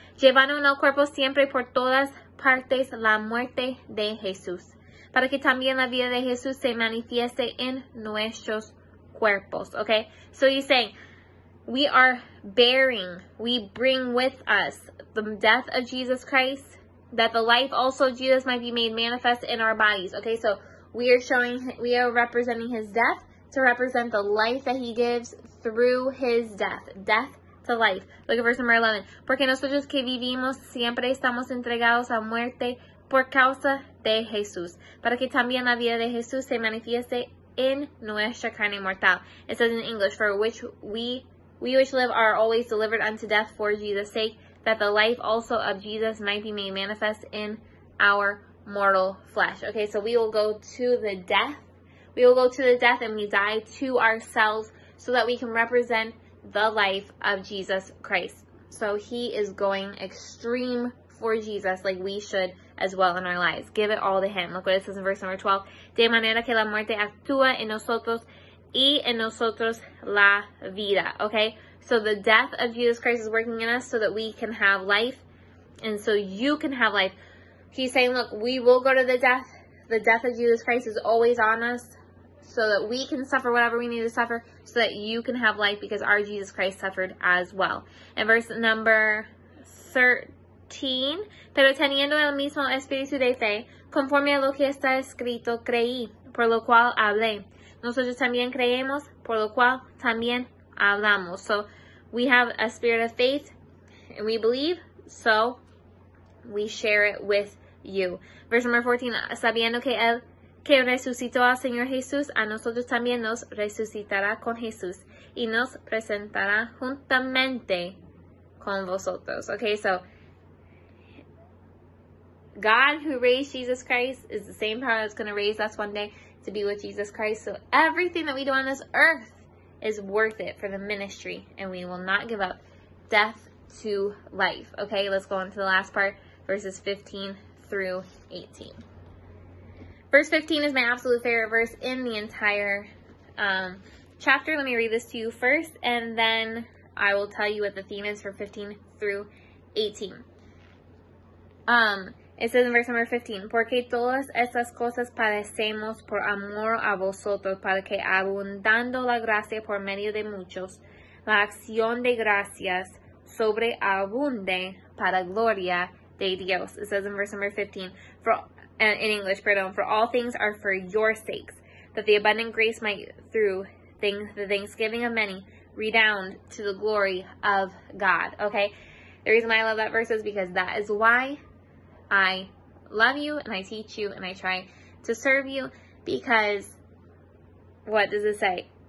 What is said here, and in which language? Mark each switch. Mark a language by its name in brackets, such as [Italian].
[Spanish] Llevando en el cuerpo siempre por todas partes la muerte de Jesús, para que también la vida de Jesús se manifieste en nuestros cuerpos. [English] Okay, so he's saying we are bearing, we bring with us the death of Jesus Christ, that the life also of Jesus might be made manifest in our bodies. Okay, so we are representing his death to represent the life that he gives through his death. Death to life. Look at verse number 11. [Spanish] Porque nosotros que vivimos siempre estamos entregados a muerte por causa de Jesús, para que también la vida de Jesús se manifieste en nuestra carne mortal. [English] It says in English, for which we which live are always delivered unto death for Jesus' sake, that the life also of Jesus might be made manifest in our mortal flesh. Okay, so we will go to the death. We will go to the death and we die to ourselves so that we can represent the life of Jesus Christ. So he is going extreme for Jesus, like we should as well in our lives. Give it all to him. Look what it says in verse number 12. [Spanish] De manera que la muerte actúa en nosotros y en nosotros la vida. [English] Okay? So the death of Jesus Christ is working in us so that we can have life. And so you can have life. He's saying, look, we will go to the death. The death of Jesus Christ is always on us so that we can suffer whatever we need to suffer so that you can have life because our Jesus Christ suffered as well. In verse number 13, [Spanish] pero teniendo el mismo espíritu de fe, conforme a lo que está escrito, creí, por lo cual hablé. Nosotros también creemos, por lo cual también hablamos. [English] So we have a spirit of faith and we believe, so we share it with you. Verse number 14, [Spanish] sabiendo que él que resucitó al Señor Jesús, a nosotros también nos resucitará con Jesús y nos presentará juntamente con vosotros. [English] Okay, so God who raised Jesus Christ is the same power that's going to raise us one day to be with Jesus Christ. So everything that we do on this earth is worth it for the ministry, and we will not give up death to life. Okay, let's go on to the last part, verses 15 through 18. Verse 15 is my absolute favorite verse in the entire chapter. Let me read this to you first, and then I will tell you what the theme is for 15 through 18. It says in verse number 15, [Spanish] porque todas estas cosas padecemos por amor a vosotros, para que abundando la gracia por medio de muchos, la acción de gracias sobreabunde para gloria de Dios. [English] It says in verse number 15, for all things are for your sakes, that the abundant grace might through the thanksgiving of many redound to the glory of God. Okay, the reason why I love that verse is because that is why I love you and I teach you and I try to serve you, because what does it say?